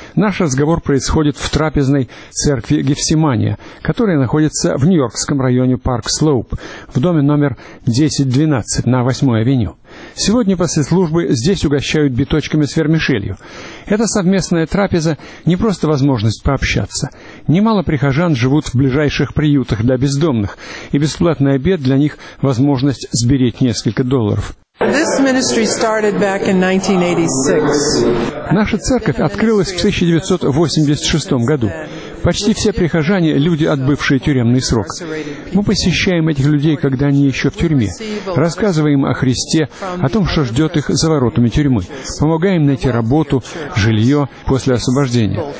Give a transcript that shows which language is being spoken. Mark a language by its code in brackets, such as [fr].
[ru] Наш разговор происходит в трапезной церкви Гефсимания, которая находится в Нью-Йоркском районе Парк Слоуп, в доме номер 1012 на 8-й авеню. Сегодня после службы здесь угощают биточками с вермишелью. Эта совместная трапеза не просто возможность пообщаться. Немало прихожан живут в ближайших приютах для бездомных, и бесплатный обед для них – возможность сберечь несколько долларов. [en] This ministry started back in 1986. [ru] Наша церковь открылась в 1986 году. Почти все прихожане – люди, отбывшие тюремный срок. Мы посещаем этих людей, когда они еще в тюрьме. Рассказываем о Христе, о том, что ждет их за воротами тюрьмы. Помогаем найти работу, жилье после освобождения.